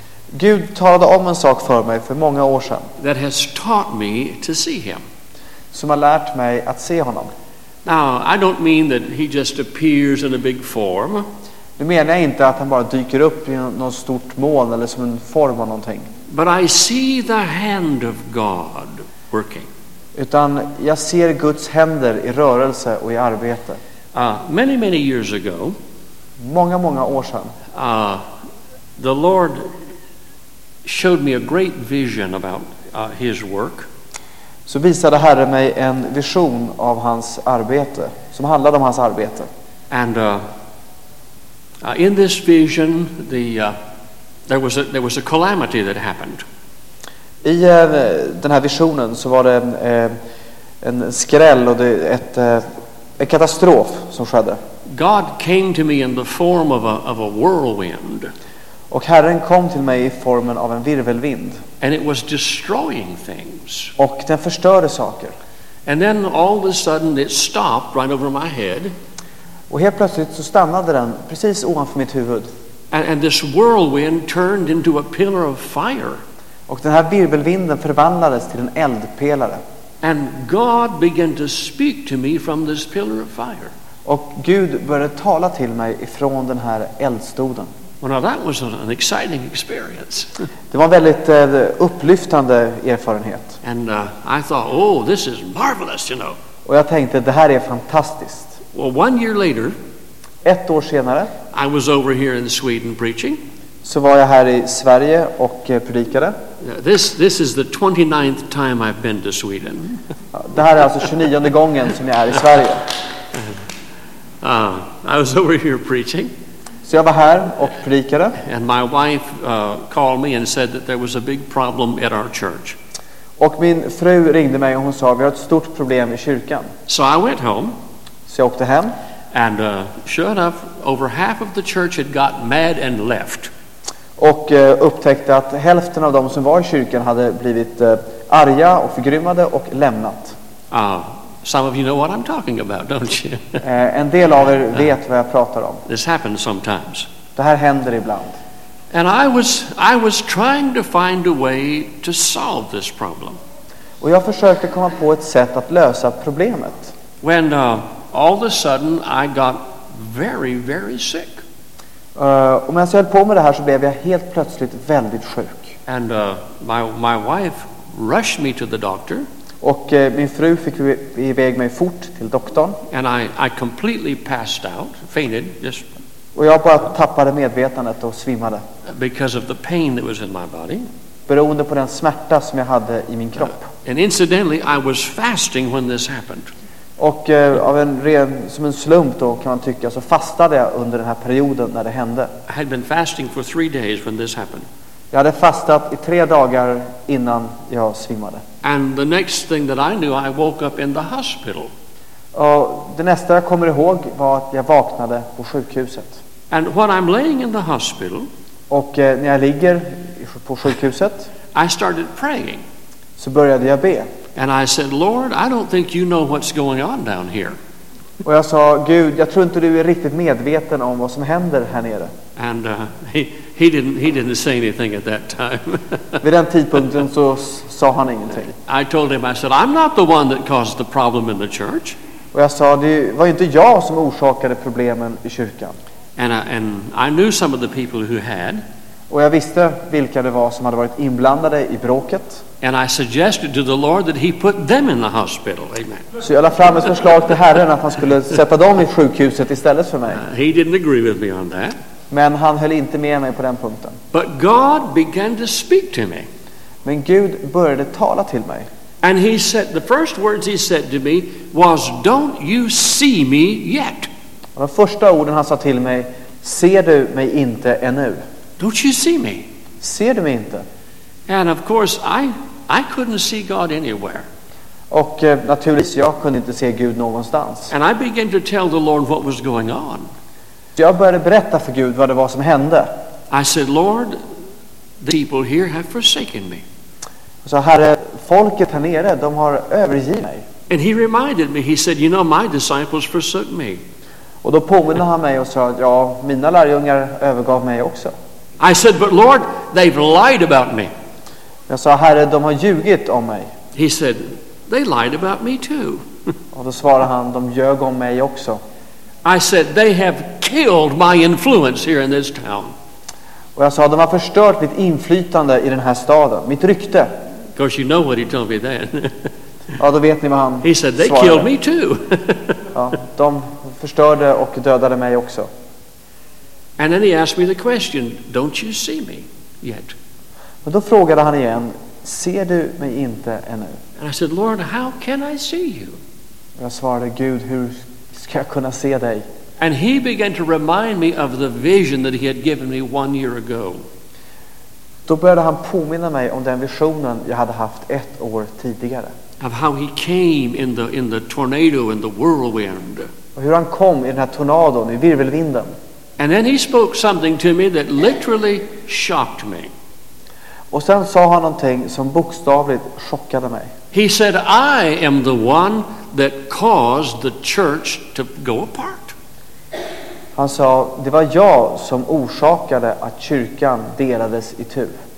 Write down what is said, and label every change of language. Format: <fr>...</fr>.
<sv>Gud talade om en sak för mig för många år sedan.</sv> <en>That has taught me to see him.</en> <sv>Som har lärt mig att se honom.</sv> <en>Now, I don't mean that he just appears in a big form.</en> <sv>Nu menar jag inte att han bara dyker upp i något stort moln eller som en form av någonting.</sv> <en>But I see the hand of God working.</en> <sv>Utan jag ser Guds händer i rörelse och i arbete.</sv> <en>Many years ago.</en> <sv>Många år sedan.</sv> <en>The Lord showed me a great vision about his work.</en> <sv>Så visade Herre mig en vision av hans arbete, som handlade om hans arbete.</sv> <en>And in this vision, there was a calamity that happened.</en> <sv>I den här visionen så var det en skräll och det en katastrof som skedde.</sv> <en>God came to me in the form of a whirlwind.</en> <sv>Och Herren kom till mig i formen av en virvelvind.</sv> <en>And it was destroying things.</en> <sv>Och den förstörde saker.</sv> <en>And then all of a sudden it stopped right over my head.</en> <sv>Och helt plötsligt så stannade den precis ovanför mitt huvud.</sv> <en>And this whirlwind turned into a pillar of fire.</en> <sv>Och den här virvelvinden förvandlades till en eldpelare.</sv> <en>And God began to speak to me from this pillar of fire.</en> <sv>Och Gud började tala till mig ifrån den här eldstoden.</sv> <en>Well, now that was an exciting experience.</en> <sv>Det var en väldigt upplyftande erfarenhet.</sv> <en>And I thought, oh, this is marvelous, you know.</en> <sv>Och jag tänkte, det här är fantastiskt.</sv> <en>Well, one year later,</en> <sv>ett år senare,</sv> <en>I was over here in Sweden preaching.</en> <sv>Så var jag här i Sverige och predikade.</sv> <en>This is the 29th time I've been to Sweden.</en> <sv>Det här är alltså 29:e gången som jag är i Sverige.</sv> <en>I was over here preaching.</en> <sv>Så jag var här och predikade.</sv> <en>And my wife called me and said that there was a big problem at our church.</en> <sv>Och min fru ringde mig och hon sa vi har ett stort problem i kyrkan.</sv> <en>So I went home.</en> <sv>Så jag åkte hem.</sv> <en>And sure enough, over half of the church had got mad and left.</en> <sv>Och upptäckte att hälften av dem som var i kyrkan hade blivit arga och förgrymmade och lämnat.</sv> <en>Some of you know what I'm talking about, don't you?</en> <sv>En del av er vet vad jag pratar om.</sv> <en>This happens sometimes.</en> <sv>Det här händer ibland.</sv> <en>And I was trying to find a way to solve this problem.</en> <sv>Och jag försökte komma på ett sätt att lösa problemet.</sv> <en>When all of a sudden I got very, very sick.</en> <sv>Och medan jag höll på med det här så blev jag helt plötsligt väldigt sjuk.</sv> <en>And my wife rushed me to the doctor.</en> <sv>Och min fru fick iväg mig fort till doktorn.</sv> <en>And I completely passed out, fainted, just.</en> <sv>Och jag bara tappade medvetandet och svimmade.</sv> <en>Because of the pain that was in my body.</en> <sv>Beroende på den smärta som jag hade i min kropp.</sv> <en>And incidentally, I was fasting when this happened.</en> <sv>Och av en ren som en slump då kan man tycka så fastade jag under den här perioden när det hände.</sv> <en>I had been fasting for 3 days when this happened.</en> <sv>Jag hade fastat i 3 dagar innan jag svimmade.</sv> <en>And the next thing that I knew, I woke up in the hospital.</en> <sv>Och det nästa jag kommer ihåg var att jag vaknade på sjukhuset.</sv> <en>And when I'm laying in the hospital,</en> <sv>och när jag ligger på sjukhuset,</sv> <en>I started praying.</en> <sv>Så började jag be.</sv> <en>And I said, Lord, I don't think you know what's going on down here.</en> <sv>Och jag sa, Gud, jag tror inte du är riktigt medveten om vad som händer här nere.</sv> <en>And he didn't say anything at that time.</en> <sv>Vid den tidpunkten så sa han ingenting.</sv> <en>I told him, I said, I'm not the one that caused the problem in the church.</en> <sv>Och jag sa, det var inte jag som orsakade problemen i kyrkan.</sv> <en>And I knew some of the people who had.</en> <sv>Och jag visste vilka det var som hade varit inblandade i bråket.</sv> <en>And I suggested to the Lord that he put them in the hospital.</en> <sv>Amen. Så jag la fram ett förslag till Herren att han skulle sätta dem i sjukhuset istället för mig.</sv> <en>He didn't agree with me on that.</en> <sv>Men han höll inte med mig på den punkten.</sv> <en>But God began to speak to me.</en> <sv>Men Gud började tala till mig.</sv> <en>And he said, the first words he said to me was, "Don't you see me yet?"</en> <sv>Och de första orden han sa till mig, "Ser du mig inte ännu?"</sv> <en>"Don't you see me?"</en> <sv>"Ser du mig inte?"</sv> <en>And of course I couldn't see God anywhere.</en> <sv>Och naturligtvis jag kunde inte se Gud någonstans.</sv> <en>And I began to tell the Lord what was going on.</en> <sv>Jag började berätta för Gud vad det var som hände.</sv> <en>I said, "Lord, the people here have forsaken me."</en> <sv>Så Herre, folket här nere, de har övergivit mig.</sv> <en>And he reminded me, he said, "You know, my disciples forsook me."</en> <sv>Och då påminner han mig och sa, ja, mina lärjungar övergav mig också.</sv> <en>I said, "But Lord, they've lied about me."</en> <sv>Jag sa, Herre, de har ljugit om mig.</sv> <en>He said, "They lied about me too."</en> <sv>Och då svarade han, de ljög om mig också.</sv> <en>I said, "They have killed my influence here in this town."</en> <sv>Och jag sa, de har förstört mitt inflytande i den här staden, mitt rykte.</sv> <en>Because you know what he told me then.</en> <sv>Ja, då vet ni vad han</sv> <en>He said, "They killed me too."</en> <sv>Ja, de förstörde och dödade mig också.</sv> <en>And then he asked me the question, "Don't you see me yet?"</en> <sv>Men då frågade han igen, "Ser du mig inte ännu?"</sv> <en>And I said, "Lord, how can I see you?"</en> <sv>Och jag svarade, "Gud, hur ska jag kunna se dig?"</sv> <en>And he began to remind me of the vision that he had given me 1 year ago.</en> <sv>Då började han påminna mig om den visionen jag hade haft ett år tidigare.</sv> <en>Of how he came in the tornado and the whirlwind.</en> <sv>Och hur han kom i den här tornadon, i virvelvinden.</sv> <en>And then he spoke something to me that literally shocked me.</en> <sv>Och sen sa han någonting som bokstavligt chockade mig.</sv> <en>He said, "I am the one that caused the church to go apart."</en> <sv>Han sa, det var jag som orsakade att kyrkan delades i tu.</sv>